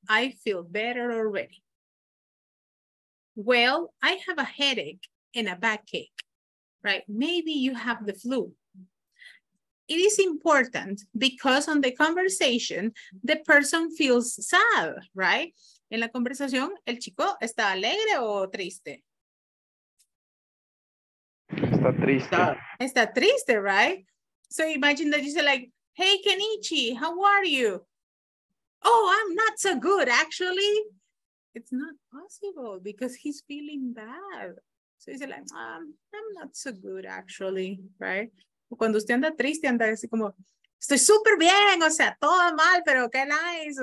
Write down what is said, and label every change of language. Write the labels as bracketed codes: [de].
[en] I feel better already. Well, I have a headache and a backache, right? Maybe you have the flu. It is important because on the conversation, the person feels sad, right? [es] En la conversación, ¿el chico está alegre o triste? Está triste. Está triste, right? [en] So imagine that you say like, hey, Kenichi, how are you? Oh, I'm not so good, actually. It's not possible because he's feeling bad. So he's like, I'm not so good, actually, right? [es] Cuando usted anda triste, anda así como, estoy súper bien, o sea, todo mal, pero qué nice.